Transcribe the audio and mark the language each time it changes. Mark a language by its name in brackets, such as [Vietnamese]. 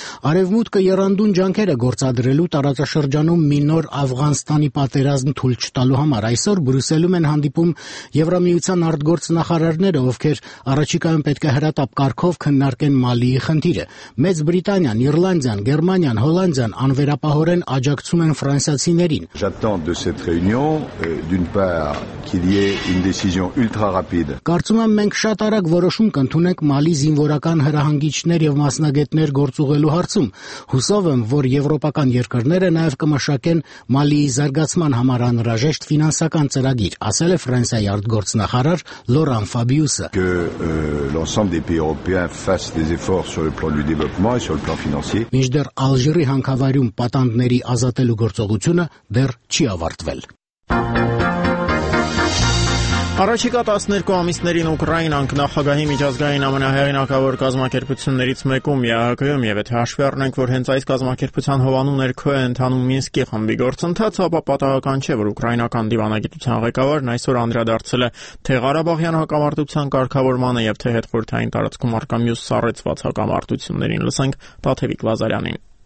[Armenian] Արևմուտքը եռանդուն ջանքերը գործադրելու տարածաշրջանում մի նոր Աֆղանստանի պատերազմ թույլ չտալու համար։ Այսօր Բրյուսելում են հանդիպում Եվրամիության արտգործնախարարները, ովքեր առաջիկայում պետք է հրատապ կարգով քննարկեն Մալիի խնդիրը։ Մեծ Բրիտանիան, Իռլանդիան, Գերմանիան, Հոլանդիան անվերապահորեն աջակցում են ֆրանսիացիներին։ [French] J'attends de cette réunion d'une part qu'il y ait une décision ultra rapide։ [Armenian] Կարծում եմ, մենք շատ արագ որոշում կընդունենք Մալի զինվորական հրահանգիչներ եւ մասնագետներ գործուղելու հարցում։ Հուսով եմ, որ եվրոպական երկրները նաեւ կմշակեն Մալիի զարգացման համար անհրաժեշտ ֆինանսական ծրագիր, ասել է Ֆրանսիայի արտգործնախարար Լորան Ֆաբիուսը։ [French] Que l'ensemble des pays européens fassent des efforts sur le plan du développement et sur le plan financier։ [Armenian] Մինչդեռ Ալժիրի հանքավարյուն պատանդների ազատելու գործողությունը դեռ չի ավարտվել։ Առաջիկա 12 ամիսներին Ուկրաինան նախագահի միջազգային ամենահեղինակավոր կազմակերպություններից մեկում ԵԱՀԿ-ում, եւ եթե հաշվի առնենք, որ հենց այս կազմակերպության հովանու ներքո է ընթանում Մինսկի խմբի գործընթացը, ապա պատահական չէ, որ ուկրաինական դիվանագիտության ղեկավարն այսօր անդրադարձել է թե Ղարաբաղյան հակամարտության կարգավորմանը եւ թե հետխորհրդային տարածքում առկա մյուս սառեցված հակամարտություններին։ Լսենք Պաթևիկ Վազարյանին։